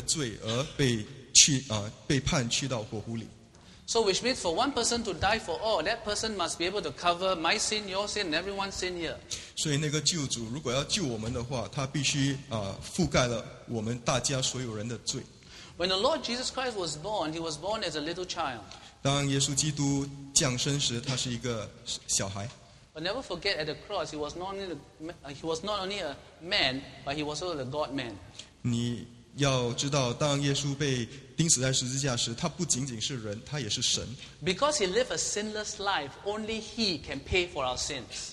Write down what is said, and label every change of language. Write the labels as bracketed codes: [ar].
[zh] 我们这里所有的人将会为我们的罪而被判去到火湖里。 [en] So which means for one person to die for all, that person must be able to cover my sin, your sin, and everyone's sin here. [zh] 所以那个救主如果要救我们的话，他必须覆盖了我们大家所有人的罪。 [en] When the Lord Jesus Christ was born, he was born as a little child. [zh] 当耶稣基督降生时，他是一个小孩。 [en] But never forget, at the cross, he was not only a man, but he was also the God-man. [zh] 要知道，当耶稣被钉死在十字架时，他不仅仅是人，他也是神。 [en] Because he lived a sinless life, only he can pay for our sins.